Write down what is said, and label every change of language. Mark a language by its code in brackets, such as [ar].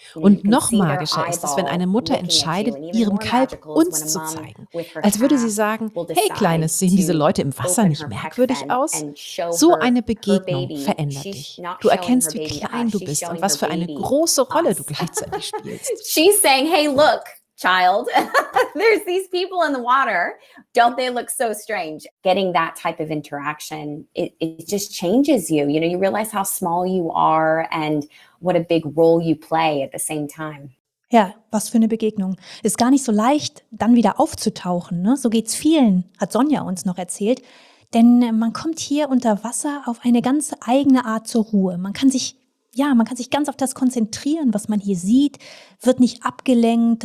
[de] Und noch magischer ist es, wenn eine Mutter entscheidet, ihrem Kalb uns zu zeigen. Als würde sie sagen, hey Kleines, sehen diese Leute im Wasser nicht merkwürdig aus? So eine Begegnung verändert dich. Du erkennst, wie klein du bist und was für eine große Rolle du gleichzeitig spielst. [en] She's saying, hey, look. Child, there's these people in the water. Don't they look so strange? Getting that type of interaction, it just changes you. You know, you realize how small you are and what a big role you play at the same time. [de] Ja, was für eine Begegnung. Ist gar nicht so leicht, dann wieder aufzutauchen, ne? So geht's vielen, hat Sonja uns noch erzählt. Denn man kommt hier unter Wasser auf eine ganz eigene Art zur Ruhe. Man kann sich ganz auf das konzentrieren, was man hier sieht, wird nicht abgelenkt.